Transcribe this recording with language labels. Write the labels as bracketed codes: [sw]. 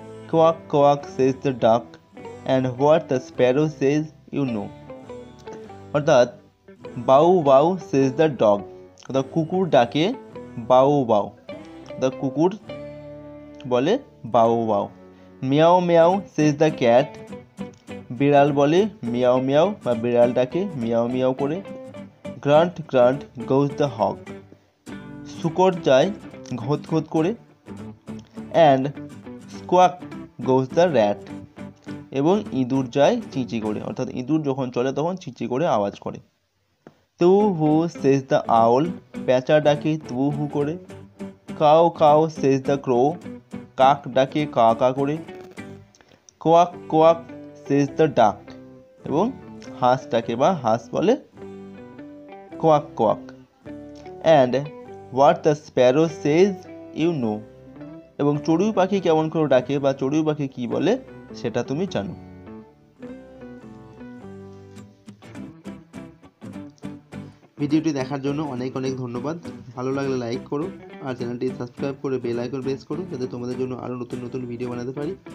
[en] Quack quack says the duck. And what the sparrow says, you know. অর্থাৎ bow wow says the dog. The [bn] কুকুর ডাকে [en] bow wow. [bn] The কুকুর বলে bow wow. [en] Meow meow says the cat. [bn] বিড়াল বলে meow meow বা বিড়াল ডাকে meow meow করে. [en] Grunt grunt goes the hog. [bn] শুকর যায় ঘোত ঘোত করে. [en] And squawk goes the rat. [bn] এবং ইঁদুর যায় চিচি করে, অর্থাৎ ইঁদুর যখন চলে তখন চিচি করে আওয়াজ করে। [en] Too hoo says the owl. [bn] প্যাঁচা ডাকে too hoo করে। [en] Cow cow says the crow. [bn] কাক ডাকে কা কা করে। [en] Quack quack says the duck. [bn] এবং হাঁস ডাকে বা হাঁস বলে quack quack. [en] And what the sparrow says, you know. [bn] এবং চড়ুই পাখি কেমন করে ডাকে বা চড়ুই পাখি কি বলে সেটা তুমি জানো। ভিডিওটি দেখার জন্য অনেক অনেক ধন্যবাদ। ভালো লাগলে লাইক করো আর চ্যানেলটি সাবস্ক্রাইব করে বেল আইকন প্রেস করো, যাতে তোমাদের জন্য আরও নতুন নতুন ভিডিও বানাতে পারি।